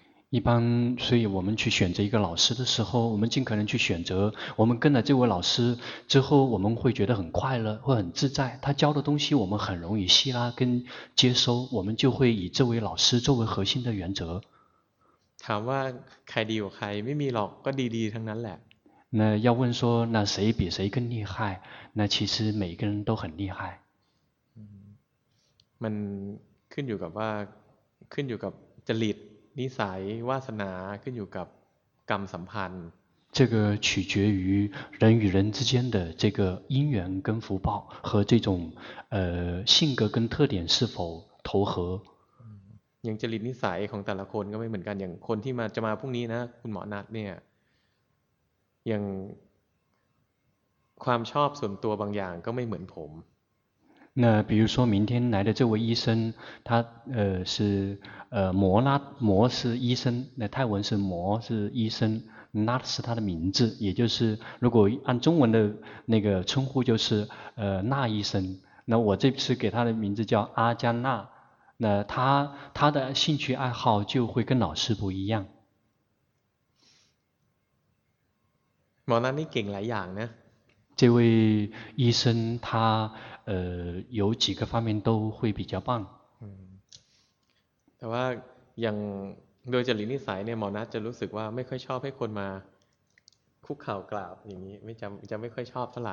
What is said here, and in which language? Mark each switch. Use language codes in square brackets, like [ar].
[zh] 一般所以我们去选择一个老师的时候我们尽可能去选择我们跟了这位老师之后我们会觉得很快乐会很自在他教的东西我们很容易吸纳跟接收我们就会以这位老师作为核心的原则 [th] ถามว่าใครดีกว่าใครไม่มีหรอกก็ดีๆทั้งนั้นแหละ [zh] 那要问说那谁比谁更厉害那其实每个人都很厉害 [th] มันขึ้นอยู่กับว่าขึ้นอยู่กับจริตนิสัยวาสนาขึ้นอยู่กับกรรมสัมพันธ์ [zh] 这个取决于人与人之间的这个因缘跟福报和这种性格跟特点是否投合 [th] อย่างจริตนิสัยของแต่ละคนก็ไม่เหมือนกันอย่างคนที่มาจะมาพรุ่งนี้นะคุณหมอนัทเนี่ยอย่างความชอบส่วนตัวบางอย่างก็ไม่เหมือนผม [zh] 那比如说明天来的这位医生他是摩拉摩是医生那泰文是摩是医生那是他的名字也就是如果按中文的那个称呼就是那医生那我这次给他的名字叫阿加纳那他的兴趣爱好就会跟老师不一样摩拉你给来养呢这位医生他有几个方面都会比较棒 [th] แต่ว่าอย่างโดยจริตนิสัยเนี่ยหมอนัทจะรู้สึกว่าไม่ค่อยชอบให้คนมาคุกเข่ากราบอย่างนี้จะไม่ค่อยชอบเท่าไหร